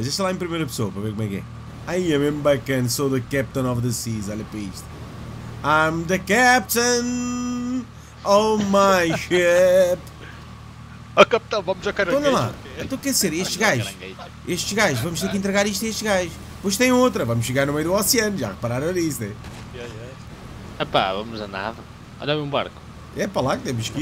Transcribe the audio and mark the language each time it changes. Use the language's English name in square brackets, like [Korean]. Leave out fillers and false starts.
[Portuguese] Deixa lá em primeira pessoa para ver como é que é. Aí é mesmo bacana, sou [English] the captain of the seas, [Portuguese] olha para isto. [English] I'm the captain of my ship. [Portuguese] Oh, capitão, vamos jogar aqui. Olha lá, estou a querer estes gajos. Estes gajos, vamos ter que entregar isto a estes gajos. Pois tem outra, vamos chegar no meio do oceano, já repararam nisso, né? Epá, vamos a nada. Olha-me um barco. É para lá que temos que ir.